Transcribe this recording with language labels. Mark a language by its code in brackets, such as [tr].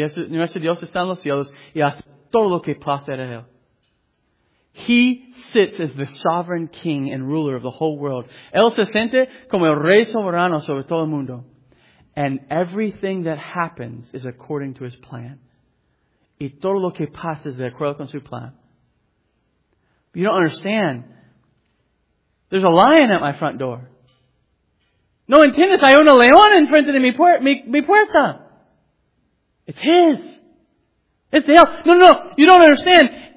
[es] Nuestro Dios está en los cielos y hace todo lo que placer a Él. [en] He sits as the sovereign king and ruler of the whole world. [es] Él se siente como el rey soberano sobre todo el mundo. [en] And everything that happens is according to His plan. [es] Y todo lo que pasa es de acuerdo con su plan. [en] You don't understand. There's a lion at my front door. [es] No, entiendes, hay un león en frente de mi puerta. [en] It's His. It's the hell. No, you don't understand.